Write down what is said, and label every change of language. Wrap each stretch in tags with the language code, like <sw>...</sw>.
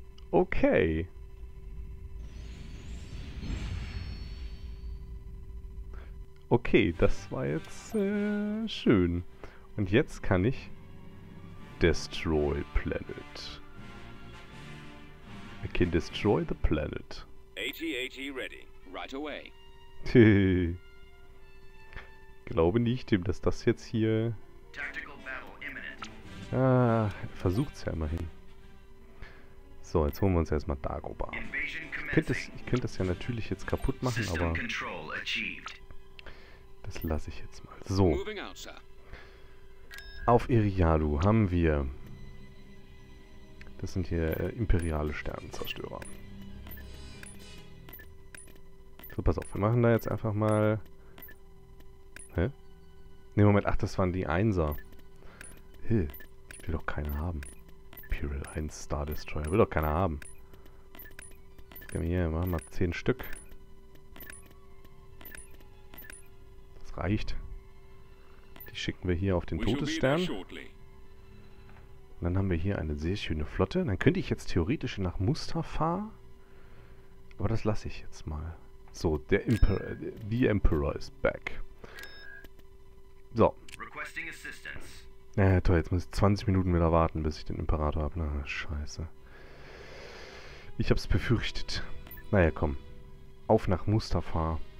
<de>okay. Okay, das war jetzt schön. Und jetzt kann ich Destroy Planet.</de> <en>I can destroy the planet. AT-AT ready. Right away.</en> <de>Glaube nicht, dass das jetzt hier...</de> <en>Tactical battle imminent.</en> <de>Ah, versucht's ja immerhin. So, jetzt holen wir uns erstmal Dagobah. Ich könnte das ja natürlich jetzt kaputt machen, aber...</de> <en>System control achieved.</en> <de>Das lasse ich jetzt mal. So. Auf Irialu haben wir... Das sind hier imperiale Sternenzerstörer. So, pass auf, wir machen da jetzt einfach mal... Hä? Ne, Moment, ach, das waren die Einser. Hä? Ich will doch keine haben. Imperial 1 Star Destroyer, will doch keiner haben. Gehen wir hier, machen wir mal 10 Stück. Das reicht. Die schicken wir hier auf den Todesstern. Und dann haben wir hier eine sehr schöne Flotte. Dann könnte ich jetzt theoretisch nach Mustafa. Aber das lasse ich jetzt mal. So, der</de> <en>Emperor, the Emperor is back. So.</en> <de>Toll, jetzt muss ich 20 Minuten wieder warten, bis ich den Imperator habe. Na, scheiße. Ich hab's befürchtet. Naja, komm. Auf nach Mustafa.</de>